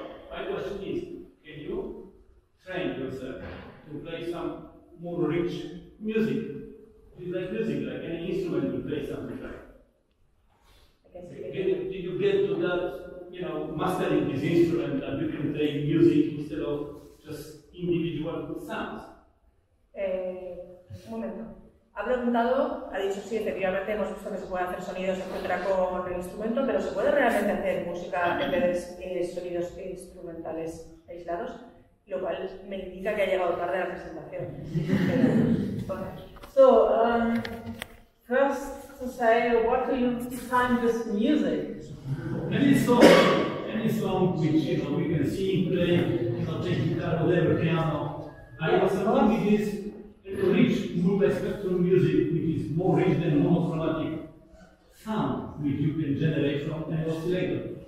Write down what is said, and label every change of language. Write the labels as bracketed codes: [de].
[en] My question is, can you train yourself to play some more rich music? Do you like music, like any instrument you play something like? Did you get to that, you know, mastering this instrument that you can play music instead of just individual sounds? [es] Un momento. Ha preguntado, ha dicho, sí, efectivamente hemos visto que se puede hacer sonidos, etcétera, con el instrumento, pero ¿se puede realmente hacer música en vez de sonidos instrumentales aislados? Lo cual me indica que ha llegado tarde a la presentación. [en] So, first, to say, what do you define with music? Any song which, you know, we can sing, play, you know, take guitar, whatever, piano. I was thinking it is a rich multi-spectrum music, which is more rich than monochromatic sound, which you can generate from an oscillator.